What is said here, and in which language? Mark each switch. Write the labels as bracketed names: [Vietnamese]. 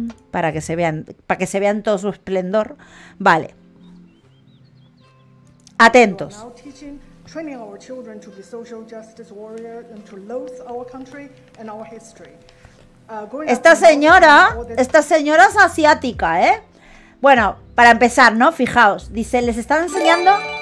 [Spanish] Para que se vea en todo su esplendor. Vale. Atentos. [English] Training our children to be social justice warriors and to loathe our country and our history. [Spanish] Esta señora es asiática, ¿eh? Bueno, para empezar, ¿no? Fijaos, dice, les están enseñando.